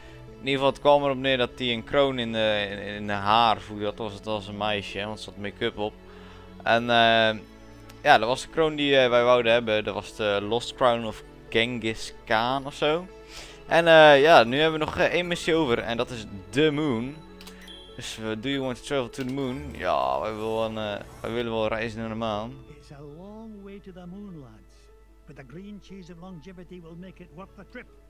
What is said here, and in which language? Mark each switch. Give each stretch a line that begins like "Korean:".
Dutch: In ieder geval, het kwam erop neer dat hij een kroon in haar voelde. Dat was het als een meisje, want ze had make-up op. En ja, dat was de kroon die wij wouden hebben. Dat was de Lost Crown of Genghis Khan of zo. En ja, nu hebben we nog één missie over. En dat is The Moon. Dus
English: do you want to travel to the moon?
Dutch: Ja, wij willen wel reizen naar de maan.
English: It's a long way to the moon, lads. But the green cheese of longevity will make it worth the trip.